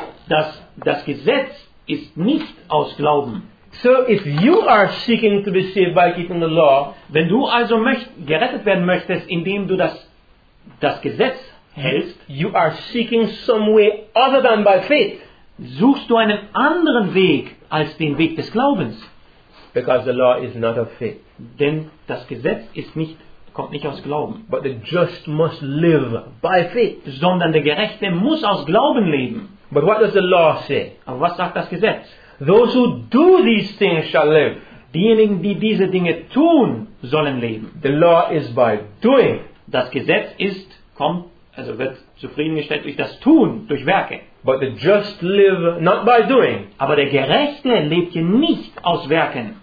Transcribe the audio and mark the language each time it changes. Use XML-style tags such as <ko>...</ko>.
<de>Das Gesetz ist nicht aus Glauben.</de> <en>So if you are seeking to be saved by keeping the law,</en> <de>wenn du also gerettet werden möchtest, indem du das Gesetz hältst,</de> <en>you are seeking some way other than by faith.</en> <de>Suchst du einen anderen Weg als den Weg des Glaubens?</de> <en>Because the law is not of faith.</en> <de>Denn das Gesetz ist nicht, kommt nicht aus Glauben.</de> <en>But the just must live by faith.</en> <de>Sondern der Gerechte muss aus Glauben leben.</de> <en>But what does the law say?</en> <de>Aber was sagt das Gesetz?</de> <en>Those who do these things shall live.</en> <de>Diejenigen, die diese Dinge tun, sollen leben.</de> <en>The law is by doing.</en> <de>Das Gesetz ist, kommt, also wird zufriedengestellt durch das Tun, durch Werke.</de> <en>But the just live not by doing,</en> <de>aber der Gerechte lebt hier nicht aus Werken,</de>